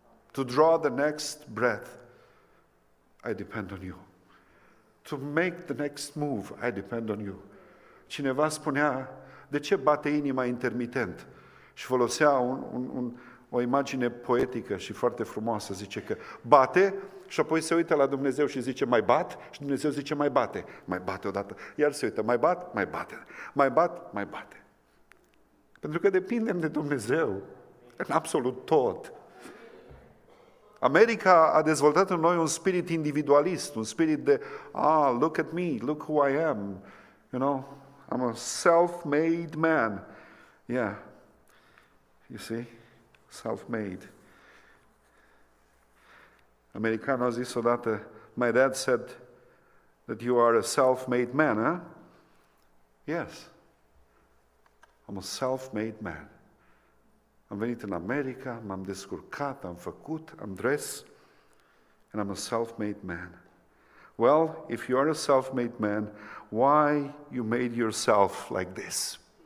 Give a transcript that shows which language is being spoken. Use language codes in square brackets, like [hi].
[en] To draw the next breath, I depend on you. To make the next move, I depend on you. [ro] Cineva spunea, de ce bate inima intermitent? Și folosea o imagine poetică și foarte frumoasă. Zice că bate și apoi se uită la Dumnezeu și zice, mai bat? Și Dumnezeu zice, mai bate. Mai bate odată. Iar se uită, mai bat? Mai bate. Mai bat? Mai bate. Pentru că depindem de Dumnezeu în absolut tot. America a dezvoltat în noi un spirit individualist, un spirit de, [en] look at me, look who I am, you know? I'm a self-made man. Yeah. You see? Self-made. [ro] Americanul a zis odată, [en] my dad said that you are a self-made man, huh? Yes. I'm a self-made man. [ro] Am venit în America, m-am descurcat, am făcut, am dres, [en] and I'm a self-made man. Well, if you are a self-made man, why you made yourself like this?